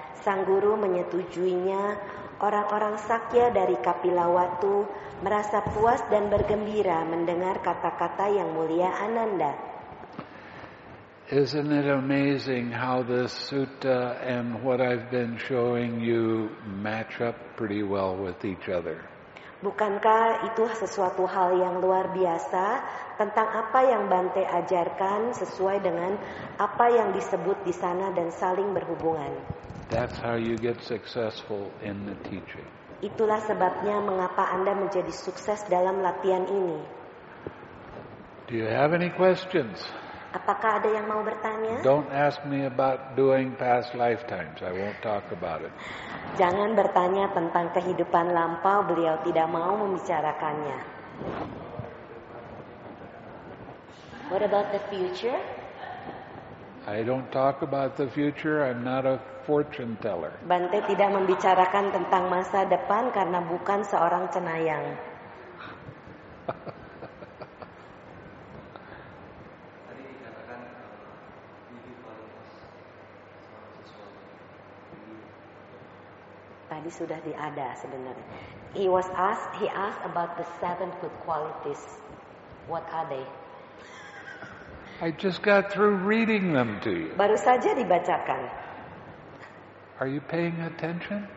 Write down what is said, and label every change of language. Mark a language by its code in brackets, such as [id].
[id] Sang Guru menyetujuinya. Orang-orang Sakya dari Kapilavastu merasa puas dan bergembira mendengar kata-kata Yang Mulia Ananda. [en] Isn't it amazing how this sutta and what I've been showing you match up pretty well with each other? [id] Bukankah itu sesuatu hal yang luar biasa tentang apa yang Bante ajarkan sesuai dengan apa yang disebut di sana dan saling berhubungan? [en] That's how you get successful in the teaching. [id] Itulah sebabnya mengapa Anda menjadi sukses dalam latihan ini. [en] Do you have any questions? [id] Apakah ada yang mau bertanya? [en] Don't ask me about doing past lifetimes. I won't talk about it. [id] Jangan bertanya tentang kehidupan lampau. Beliau tidak mau membicarakannya. [en] What about the future? I don't talk about the future. I'm not a fortune teller. [id] Bante tidak membicarakan tentang masa depan karena bukan seorang cenayang. Tadi sudah diada sebenarnya. [en] He asked about the seven good qualities. What are they? I just got through reading them to you. [id] Baru saja dibacakan. [en] Are you paying attention?